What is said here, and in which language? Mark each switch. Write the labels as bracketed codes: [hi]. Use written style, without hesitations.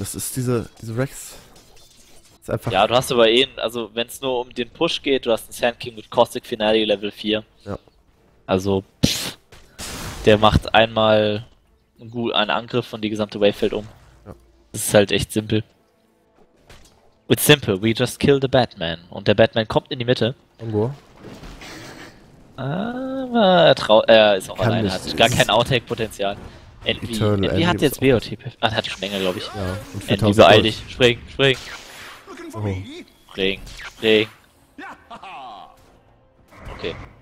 [de] Das ist diese Rex. Einfach ja, du hast aber also wenn es nur um den Push geht, du hast einen Sand King mit Caustic Finale Level 4. Ja. Also, der macht einmal einen Angriff und die gesamte Wave fällt um. Ja. Das ist halt echt simpel. [en] It's simple, we just kill the Batman. [de] Und der Batman kommt in die Mitte. Irgendwo. Aber er ist auch alleine, hat gar kein Outtake-Potenzial. Envy hat jetzt WOTP. Ah, hat schon länger, glaube ich. Ja, und Envy, beeil dich, spring. Spring, spring. Okay.